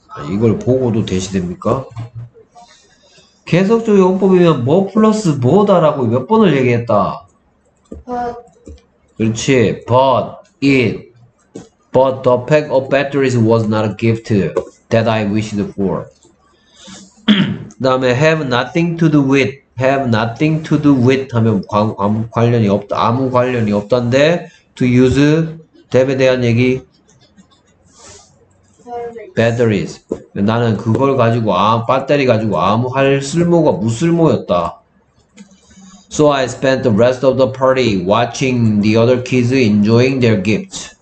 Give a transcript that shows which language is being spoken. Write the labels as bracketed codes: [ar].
[ko] 이걸 보고도 대시됩니까? 계속적 용법이면 뭐 플러스 뭐다라고 몇 번을 얘기했다. [en] But [ko] 그렇지. [en] But the pack of batteries was not a gift that I wished for. [ko] 다음에 [en] have nothing to do with [ko] 하면 관련이 없다. 아무 관련이 없단데 [en] to use [ko] 대에 대한 얘기. [en] Batteries. [ko] 나는 그걸 가지고 배터리 가지고 아무 할 쓸모가 무쓸모였다. [en] So I spent the rest of the party watching the other kids enjoying their gifts.